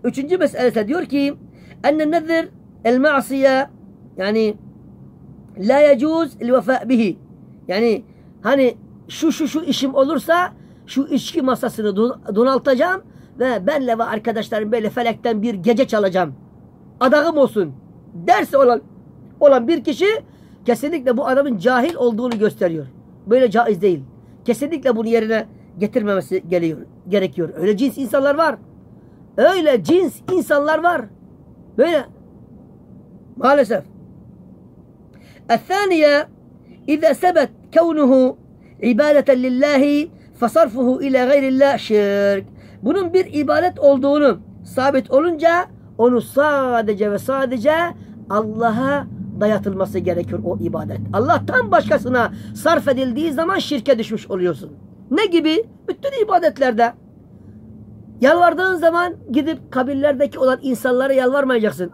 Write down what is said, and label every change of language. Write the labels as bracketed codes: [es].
[tr] Üçüncü meselesi diyor ki [ar] اَنَّ النَّذِرْ الْمَعْصِيَ yani لَا يَجُوز الْوَفَاءُ بِهِ. [tr] Yani hani şu işim olursa şu içki masasını donaltacağım ve benle ve arkadaşlarım böyle felekten bir gece çalacağım. Adağım olsun derse olan bir kişi kesinlikle bu adamın cahil olduğunu gösteriyor. Böyle caiz değil. Kesinlikle bunu yerine getirmemesi gerekiyor. Öyle cins insanlar var. Öyle cins insanlar var. Böyle. Maalesef. [ar] El-thaniye اِذَا سَبَتْ كَوْنُهُ عِبَادَةً لِلّٰهِ فَصَرْفُهُ اِلَى غَيْرِ اللّٰهِ شِرْكٍ. [tr] Bunun bir ibadet olduğunu sabit olunca onu sadece ve sadece Allah'a dayatılması gerekir o ibadet. Allah'tan başkasına sarf edildiği zaman şirke düşmüş oluyorsun. Ne gibi? Bütün ibadetlerde. Yalvardığın zaman gidip kabirlerdeki olan insanlara yalvarmayacaksın.